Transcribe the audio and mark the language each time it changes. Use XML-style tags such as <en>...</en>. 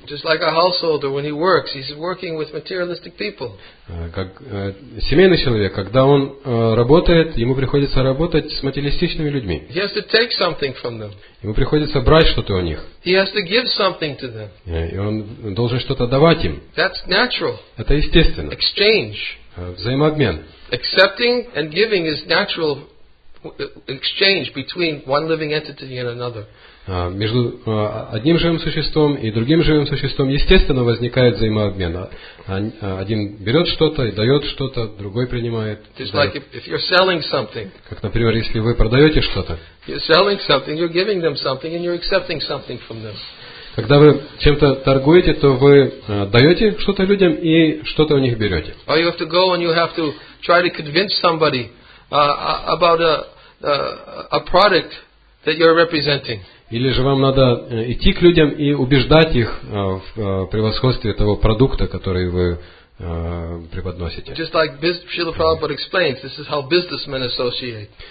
<en>Just like a householder when he works, he's working with materialistic people.</en> <ru>Как семейный человек, когда он работает, ему приходится работать с материалистичными людьми.</ru> <en>He has to take something from them.</en> <ru>Ему приходится брать что-то у них.</ru> <en>He has to give something to them.</en> <ru>И он должен что-то давать им.</ru> <en>That's natural.</en> <ru>Это естественно.</ru> <en>Exchange.</en> <ru>Взаимообмен.</ru> <en>Accepting and giving is natural. Exchange between one living entity and another.</en> <ru>Между одним живым существом и другим живым существом естественно возникает взаимообмен. Один берет что-то и дает что-то, другой принимает.</ru> <en>It's like if you're selling something.</en> <ru>Как, например, если вы продаете что-то.</ru> <en>You're selling something, you're giving them something, and you're accepting something from them.</en> <ru>Когда вы чем-то торгуете, то вы даете что-то людям и что-то у них берете.</ru> <en>Or you have to go and you have to try to convince somebody about a product that you're representing.</en> <ru>Или же вам надо идти к людям и убеждать их в превосходстве того продукта, который вы преподносите.</ru> <en>Just like Srila Prabhupada explains, this is how businessmen associate.</en>